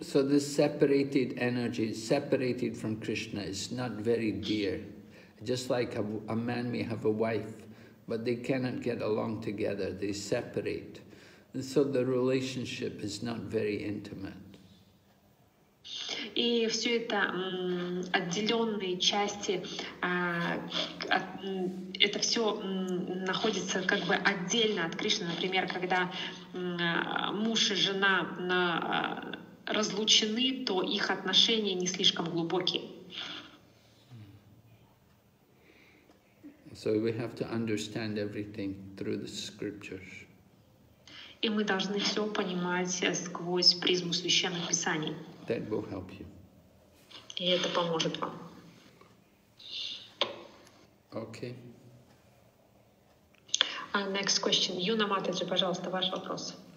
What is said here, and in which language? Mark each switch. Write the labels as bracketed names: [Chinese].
[English] So this separated energy, separated from Krishna, is not very dear. Just like a man may have a wife. But they cannot get along together, they separate. And so the relationship is not very intimate. [Russian] И все это отделенные части, это все находится как бы отдельно от Кришны. Например, когда муж и жена разлучены, то их отношения не слишком глубокие. [English] So we have to understand everything through the scriptures. [Russian] И мы должны все понимать сквозь призму священных писаний. [English] That will help you. [Russian] И это поможет вам. [English] Okay. Next question. [Russian] Юна Матаджи, пожалуйста, ваш вопрос.